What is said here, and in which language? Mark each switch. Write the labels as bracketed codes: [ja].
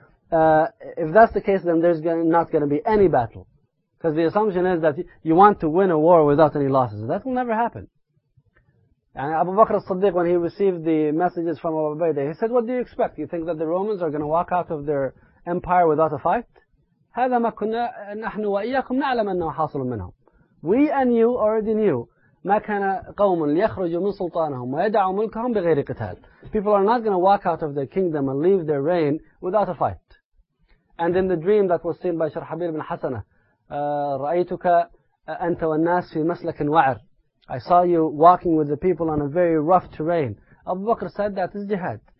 [en] If that's the case, then there's not going to be any battle. Because the assumption is that you want to win a war without any losses. That will never happen. And Abu Bakr as-Siddiq, when he received the messages from Abu Ubaidah, he said, what do you expect? You think that the Romans are going to walk out of their empire without a fight? [ar] هذا ما كنا نحن وإياكم نعلم أنه حاصل منهم. [en] We and you already knew [ar] ما كان قوم ليخرجوا من سلطانهم ويدعوا ملكهم بغير قتال. [en] People are not going to walk out of their kingdom and leave their reign without a fight. And in the dream that was seen by Sharhabir bin Hasana, [ar] رأيتك أنت والناس في مسلك وعر. [en] I saw you walking with the people on a very rough terrain. Abu Bakr said that is jihad.